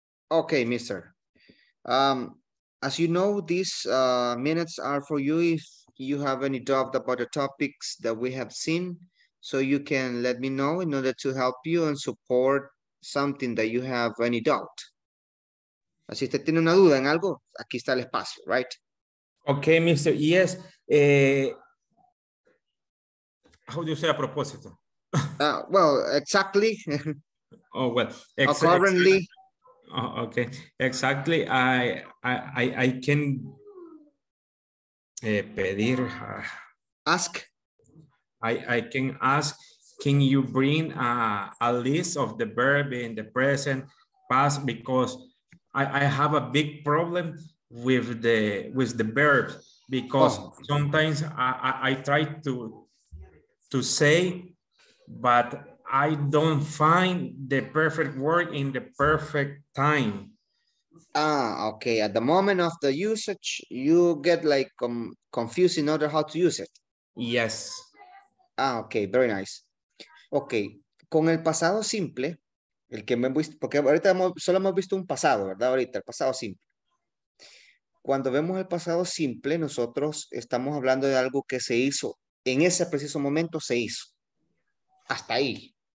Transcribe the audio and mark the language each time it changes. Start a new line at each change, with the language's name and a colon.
English: Okay, mister. As you know, these minutes are for you if you have any doubt about the topics that we have seen. So you can let me know in order to help you and support something that you have any doubt.
Spanish: Si usted tiene una duda en algo, aquí está el espacio,
English: right? Okay, Mr. Yes. How do you say
Spanish: a propósito?
English: Well, exactly. Oh, well. Currently. Okay, exactly. I can
Spanish: pedir.
English: Ask. I can ask, can you bring a list of the verb in the present past, because I have a big problem with the verbs, because sometimes I try to say, but I don't find the perfect word in the perfect time. Okay. At the moment of the usage, you get like confused in order how to use it. Yes. Okay. Very nice. Okay.
Spanish: Con el pasado simple, el que me visto, porque ahorita solo hemos visto un pasado, ¿verdad? Ahorita, el pasado simple. Cuando vemos el pasado simple, nosotros estamos hablando de algo que se hizo. En ese preciso momento se hizo. Hasta ahí.